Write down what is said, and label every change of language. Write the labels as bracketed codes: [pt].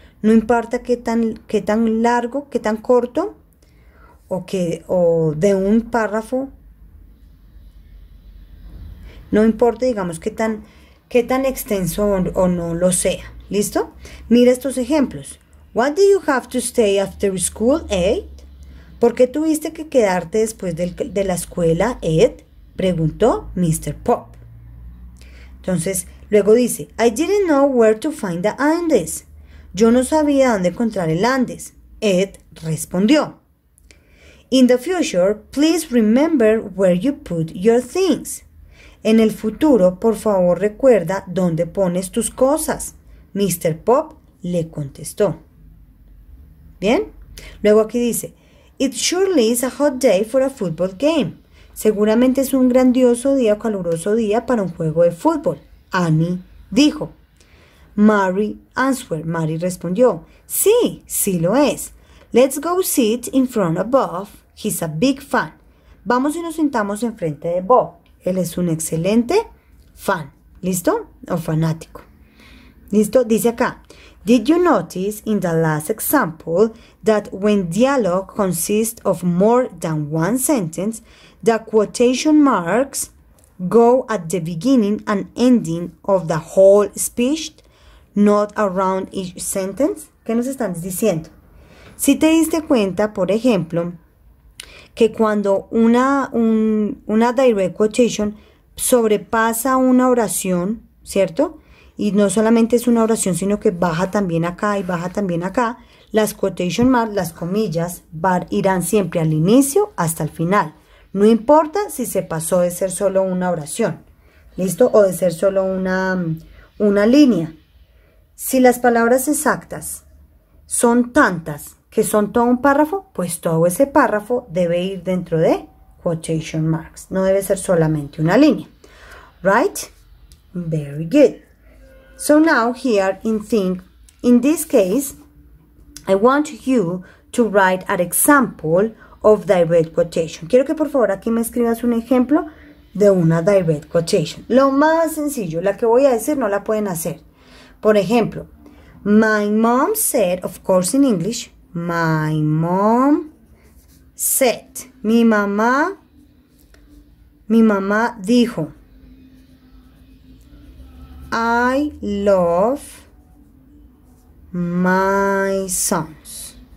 [es] No importa qué tan largo, qué tan corto, o de un párrafo, no importa, digamos, qué tan extenso o no lo sea, ¿listo? Mira estos ejemplos. [en] What do you have to stay after school, Ed? [es] ¿Por qué tuviste que quedarte después de la escuela, Ed? Preguntó Mr. Pop. Entonces, luego dice, [en] I didn't know where to find the Andes. [es] Yo no sabía dónde encontrar el Andes. Ed respondió. [en] In the future, please remember where you put your things. [es] En el futuro, por favor, recuerda dónde pones tus cosas. Mr. Pop le contestó. ¿Bien? Luego aquí dice, [en] It surely is a hot day for a football game. [es] Seguramente es un grandioso día, caluroso día para un juego de fútbol. Annie dijo. [en] Mary answered. [es] Mary respondió. Sí, sí lo es. [en] Let's go sit in front of Bob. He's a big fan. [es] Vamos y nos sentamos enfrente de Bob. Él es un excelente fan. ¿Listo? O fanático. ¿Listo? Dice acá. [en] Did you notice in the last example that when dialogue consists of more than one sentence, the quotation marks go at the beginning and ending of the whole speech, not around each sentence? [es] ¿Qué nos están diciendo? Si te diste cuenta, por ejemplo, que cuando una direct quotation sobrepasa una oración, ¿cierto? Y no solamente es una oración, sino que baja también acá y baja también acá. Las quotation marks, las comillas, irán siempre al inicio hasta el final. No importa si se pasó de ser solo una oración, ¿listo? O de ser solo una línea. Si las palabras exactas son tantas que son todo un párrafo, pues todo ese párrafo debe ir dentro de quotation marks. No debe ser solamente una línea. [en] Right? Very good. So now here in this case, I want you to write an example of direct quotation. [es] Quiero que por favor aquí me escribas un ejemplo de una direct quotation. Lo más sencillo, la que voy a decir no la pueden hacer. Por ejemplo, [en] my mom said, of course in English, my mom said, [es] mi mamá dijo, [en] I love my sons.